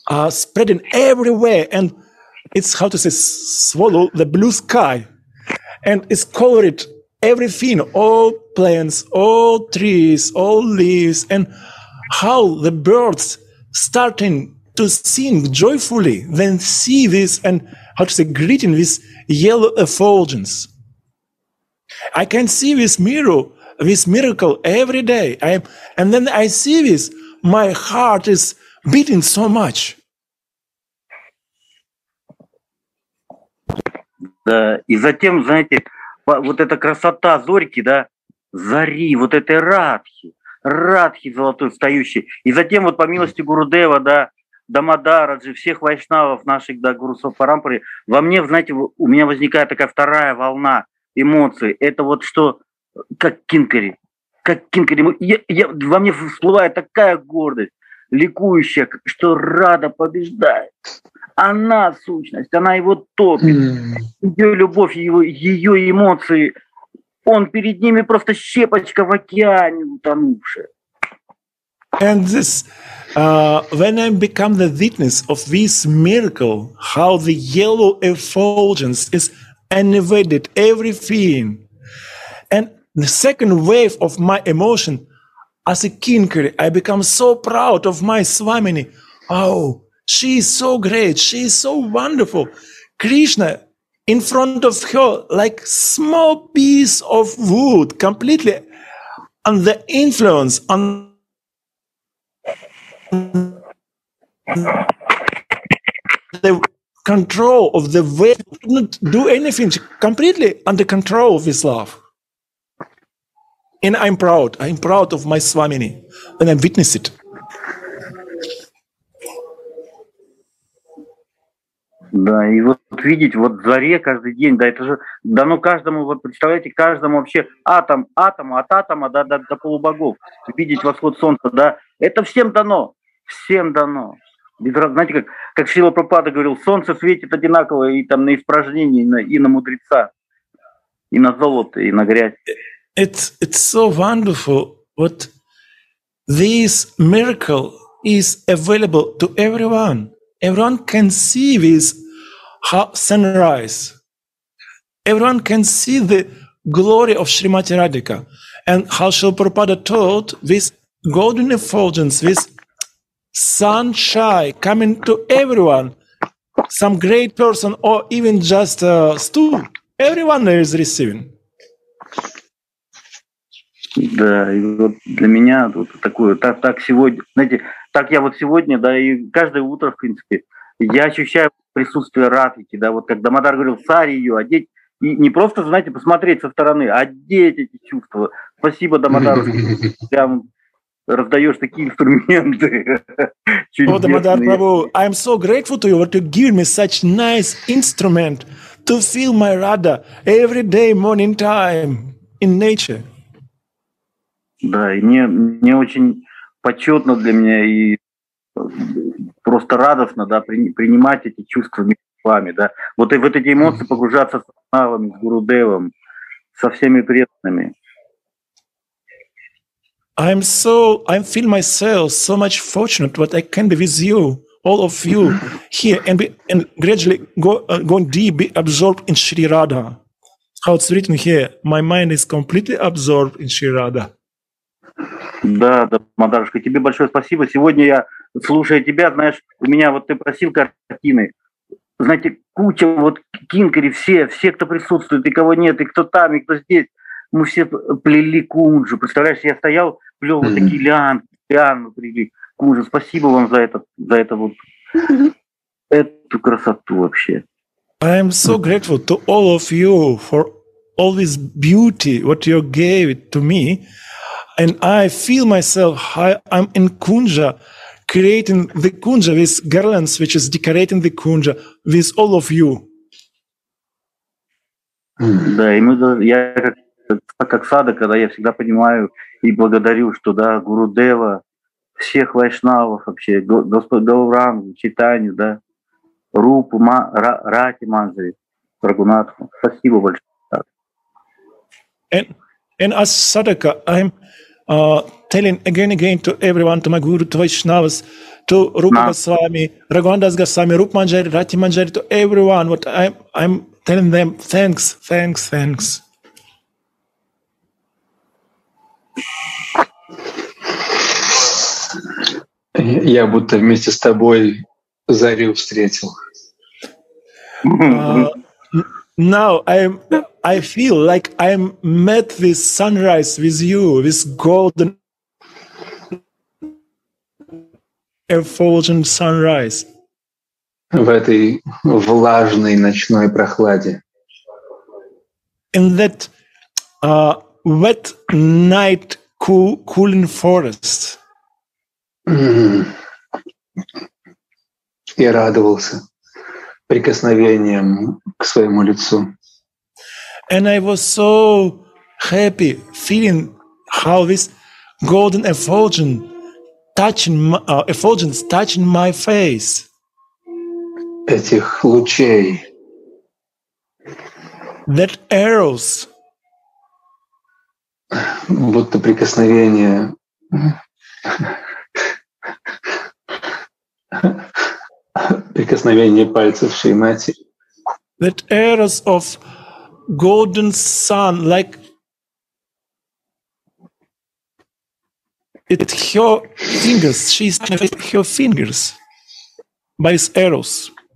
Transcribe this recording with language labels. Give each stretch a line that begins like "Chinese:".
English: spreading everywhere, and it's how to say swallow the blue sky, and it's covered everything, all plants, all trees, all leaves, and how the birds starting to sing joyfully, then see this and how to say greeting this yellow effulgence. I can see this mirror, this miracle every day. And then I see this, my heart is beating so much.
Russian: Да, и затем, знаете, вот эта красота зорьки, да, зари, вот этой Радхи, Радхи золотой встающей. И затем вот по милости Гурудева, да, Дамодара, же всех вайшнавов наших, да, гурусов парампоры, во мне, знаете, у меня возникает такая вторая волна эмоций. Это вот что, как Кинкари. Во мне всплывает такая гордость, ликующая, что Рада побеждает. Она сущность, она его топит. Ее любовь, ее эмоции, он перед ними просто щепочка в океане утонувшая.
English: And this, when I become the witness of this miracle, how the yellow effulgence is animated everything, and the second wave of my emotion, as a kinkari, I become so proud of my Swamini. Oh, she is so great, she is so wonderful. Krishna, in front of her, like small piece of wood, completely under the influence on. The control of the way not do anything completely under control of his love, and I'm proud of my Swamini, and I witness it.
Russian: Да, и вот видеть вот заре каждый день, да, это же дано каждому, вот представляете, каждому вообще атом, от атома до полубогов, видеть восход солнца, да, это всем дано. Знаете, как Шрила Прабхупада говорил, солнце светит одинаково и там на испражнение, и на мудреца, и на золото, и на грязь.
English: It's so wonderful, what this miracle is available to everyone. Everyone can see this sunrise. Everyone can see the glory of Srimati Radhika. And how Srila Prabhupada taught, this golden effulgence, this sunshine coming to everyone, some great person or even just a stool, everyone is receiving.
Russian: Да, и вот для меня вот такое, так сегодня, знаете, так я вот сегодня, да, и каждое утро, в принципе, я ощущаю присутствие Радхики, да, вот как Дамодар говорил, сари ее одеть, и не просто, знаете, посмотреть со стороны, а одеть эти чувства. Спасибо, Дамодар, прям раздаешь такие инструменты. О, Дамодар Прабху,
English: I'm so grateful to you, what you give me such nice instrument to feel my Radha every day morning time in nature.
Russian: Да, и мне очень почетно для меня и просто радостно, да, принимать эти чувства вместе с вами, да. Вот и вот эти эмоции погружаться с Анавом, с Гурудевом, со всеми преданными.
English: I feel myself so much fortunate what I can be with you, all of you here, and gradually going deep, be absorbed in Shri Radha. How it's written here, my mind is completely absorbed in Shri Radha.
Russian: Да, да, Мадарушка, тебе большое спасибо. Сегодня я, слушая тебя, знаешь, у меня вот ты просил картины. Знаете, куча вот кинкари, все, кто присутствует, и кого нет, и кто там, и кто здесь. Мы все плели кунжу. Представляешь, я стоял, плел вот такие лианы плели кунжу. Спасибо вам за это вот, эту красоту вообще.
English: I am so grateful to all of you for all this beauty, what you gave to me. And I feel myself, I'm in Kunja, creating the Kunja with garlands, which is decorating the Kunja with all of you.
Russian: Да, и мы, я как садок, когда я всегда понимаю и благодарю, что, да, Гуру Дева, всех вайшнавов вообще, Господь Гаурангу, Чайтанью, да, Рупу, Рати Манджари, Рагунатху. Спасибо большое.
English: And as садока, I'm telling again to everyone, to my guru, to Vaishnavas, to Rupa Goswami, Raghunandas Goswami, Rupa Manjari, Rati Manjari, to everyone, what I'm telling them, thanks.
Russian: Я будто вместе с тобой зарю встретил.
English: Now I feel like I met this sunrise with you, this golden effulgent sunrise.
Russian: В этой влажной ночной прохладе.
English: In that wet night cooling forest.
Russian: И радовался прикосновением к своему лицу.
English: And I was so happy feeling how this golden effulgence touching my face.
Russian: Этих лучей.
English: That arrows.
Russian: Будто прикосновение. Прикосновение пальцев Шримати.
English: That arrows of golden sun, like it's her fingers. She's her fingers by his arrows.